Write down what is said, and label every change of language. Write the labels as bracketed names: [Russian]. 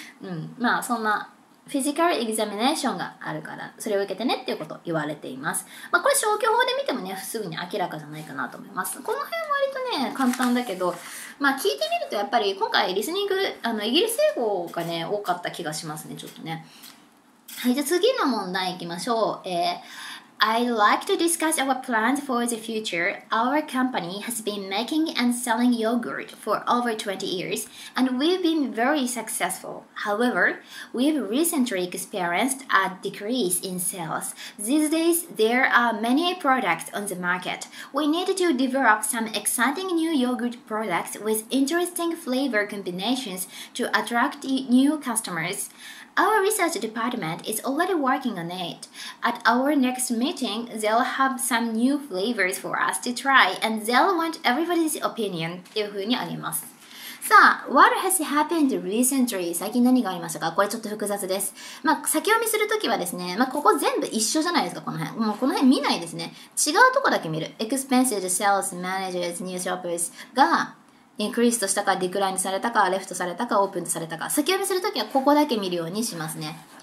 [Japanese] うん、まあそんなフィジカルエグザミネーションがあるから、それを受けてねっていうことを言われています。まあこれ消去法で見てもね、すぐに明らかじゃないかなと思います。この辺割とね簡単だけど、まあ聞いてみるとやっぱり今回リスニング、イギリス英語がね多かった気がしますね、ちょっとね。はい、じゃあ次の問題いきましょう。 [English] I'd like to discuss our plans for the future. Our company has been making and selling yogurt for over 20 years, and we've been very successful. However, we've recently experienced a decrease in sales. These days, there are many products on the market. We need to develop some exciting new yogurt products with interesting flavor combinations to attract new customers. Our research department is already working on it. At our next meeting, they'll have some new flavors for us to try, and they'll want everybody's opinion. [Japanese] というふうにあります。 [English] さあ、What has happened recently? [Japanese] 最近何がありましたか？これちょっと複雑です。まあ、先読みするときはですね、まあ、ここ全部一緒じゃないですか、この辺。もうこの辺見ないですね。違うとこだけ見る。 [English] Expenses, sales, managers, new shoppers [Japanese] が、インクリーストしたか、ディクラインされたか、レフトされたか、オープンされたか、先読みするときはここだけ見るようにしますね。